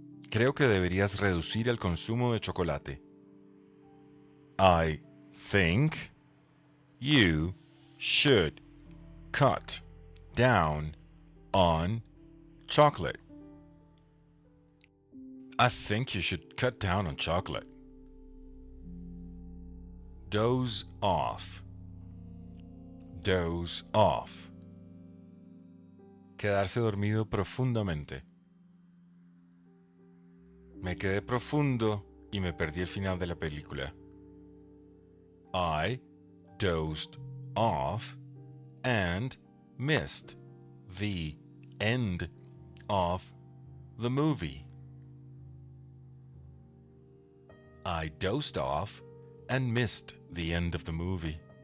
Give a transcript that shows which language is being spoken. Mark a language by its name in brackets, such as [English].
[Spanish] Creo que deberías reducir el consumo de chocolate. [English] I think you should cut down on chocolate. I think you should cut down on chocolate. Doze off. Doze off. [Spanish] Quedarse dormido profundamente. Me quedé profundo y me perdí el final de la película. [English] I dozed off and missed the end of the movie. I dozed off and missed the end of the movie.